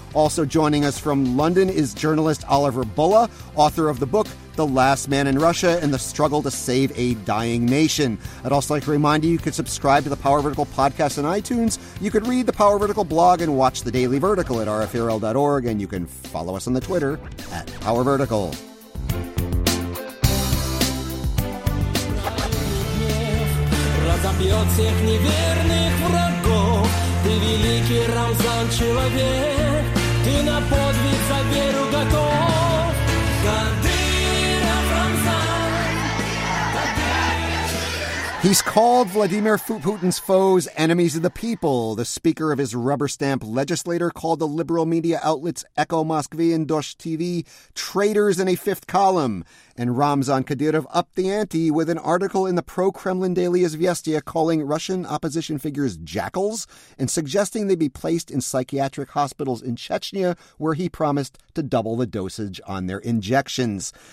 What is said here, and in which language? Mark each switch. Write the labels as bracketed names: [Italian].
[English] Also joining us from London is journalist Oliver Bulla, author of the book, The Last Man in Russia and the Struggle to Save a Dying Nation. I'd also like to remind you, you could subscribe to the Power Vertical podcast on iTunes. You could read the Power Vertical blog and watch the Daily Vertical at rfurl.org. And you can follow us on the Twitter at Power Vertical. [Russian] Разобьет всех неверных врагов. Ты великий Рамзан человек. Ты на подвиг за веру готов. Кадыров Рамзан. [English] He's called Vladimir Putin's foes enemies of the people. The speaker of his rubber stamp legislator called the liberal media outlets Echo Moskvy and Dosh TV traitors in a fifth column. And Ramzan Kadyrov upped the ante with an article in the pro-Kremlin daily Izvestia calling Russian opposition figures jackals and suggesting they be placed in psychiatric hospitals in Chechnya, where he promised to double the dosage on their injections.